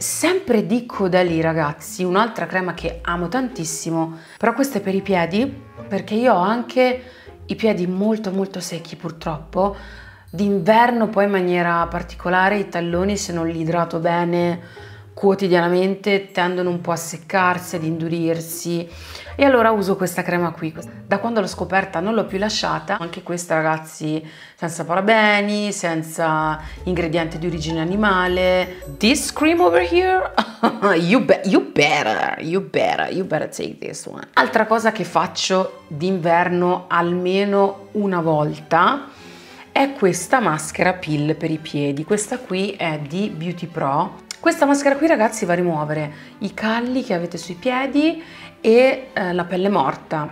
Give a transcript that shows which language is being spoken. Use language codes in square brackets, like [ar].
[it] Sempre di Caudalie, ragazzi, un'altra crema che amo tantissimo, però questa è per i piedi, perché io ho anche i piedi molto molto secchi purtroppo, d'inverno poi in maniera particolare i talloni, se non li idrato bene quotidianamente tendono un po' a seccarsi, ad indurirsi, e allora uso questa crema qui. Da quando l'ho scoperta non l'ho più lasciata, anche questa, ragazzi, senza parabeni, senza ingredienti di origine animale. [en] This cream over here, you better take this one. [it] Altra cosa che faccio d'inverno almeno una volta è questa maschera peel per i piedi. Questa qui è di Beauty Pro. Questa maschera qui, ragazzi, va a rimuovere i calli che avete sui piedi e la pelle morta.